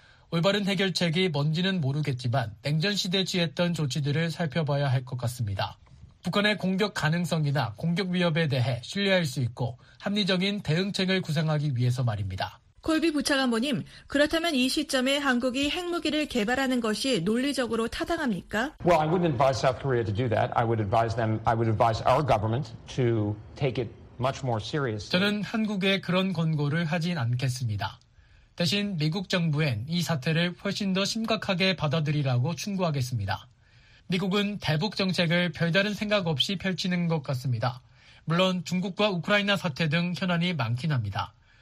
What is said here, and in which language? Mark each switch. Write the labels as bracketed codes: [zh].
[ko] 올바른 해결책이 뭔지는 모르겠지만 냉전 시대 취했던 조치들을 살펴봐야 할 것 같습니다. 북한의 공격 가능성이나 공격 위협에 대해 신뢰할 수 있고 합리적인 대응책을 구상하기 위해서 말입니다. 콜비 부차관보님, 그렇다면 이 시점에 한국이 핵무기를 개발하는 것이 논리적으로 타당합니까? [en] Well, I wouldn't advise South Korea to do that. I would advise our government to take it much more seriously. [ko] 저는 한국에 그런 권고를 하진 않겠습니다. 대신 미국 정부엔 이 사태를 훨씬 더 심각하게 받아들이라고 충고하겠습니다. 미국은 대북 정책을 별다른 생각 없이 펼치는 것 같습니다. 물론 중국과 우크라이나 사태 등 현안이 많긴 합니다.